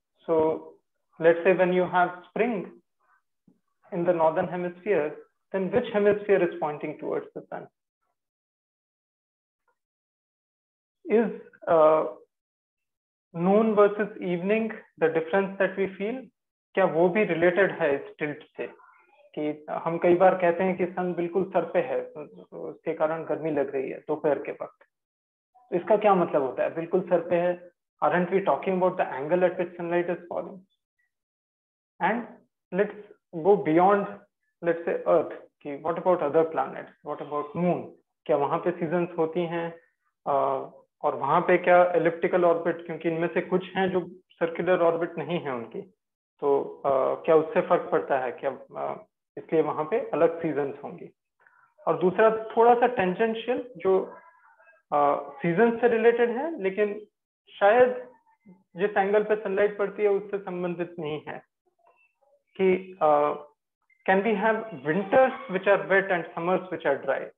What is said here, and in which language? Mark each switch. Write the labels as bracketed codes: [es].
[en] So let's say when you have spring in the northern hemisphere, then which hemisphere is pointing towards the sun? Is noon versus evening, the difference that we feel, [hi] क्या वो भी related है इस tilt से? कि हम कई बार कहते हैं कि सन बिल्कुल सर पे है, उसके कारण गर्मी लग रही है दोपहर के वक्त, इसका क्या मतलब होता है बिल्कुल सर पे है? [en] Aren't we talking about the angle at which sunlight is falling? And let's go beyond, let's say Earth, कि what about other planets? What about moon? [hi] क्या वहां पे seasons होती हैं? और वहां पे क्या elliptical orbit, क्योंकि इनमें से कुछ हैं जो circular orbit नहीं है उनके, तो क्या उससे फर्क पड़ता है क्या? इसलिए वहां पे अलग सीजन्स होंगे. और दूसरा थोड़ा सा टेंजेंशियल, जो सीजन से रिलेटेड है लेकिन शायद जिस एंगल पे सनलाइट पड़ती है उससे संबंधित नहीं है, कि [en] Can we have winters which are wet and summers which are dry?